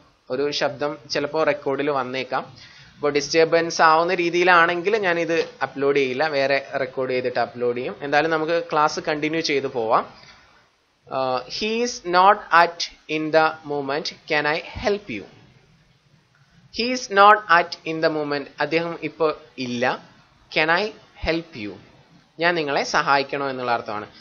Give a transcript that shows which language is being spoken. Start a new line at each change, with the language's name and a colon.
Malayalam: ഒരു ശബ്ദം ചിലപ്പോൾ റെക്കോർഡിൽ വന്നേക്കാം. അപ്പോൾ ഡിസ്റ്റർബൻസ് ആവുന്ന രീതിയിലാണെങ്കിൽ ഞാനിത് അപ്ലോഡ് ചെയ്യില്ല, വേറെ റെക്കോർഡ് ചെയ്തിട്ട് അപ്ലോഡ് ചെയ്യും. എന്തായാലും നമുക്ക് ക്ലാസ് കണ്ടിന്യൂ ചെയ്ത് പോവാം.
English: He's not at in the moment, can I help you? He is not at in the moment.
Malayalam: അദ്ദേഹം ഇപ്പോൾ ഇല്ല.
English: Can I help you?
Malayalam: ഞാൻ നിങ്ങളെ സഹായിക്കണോ എന്നുള്ള അർത്ഥമാണ്.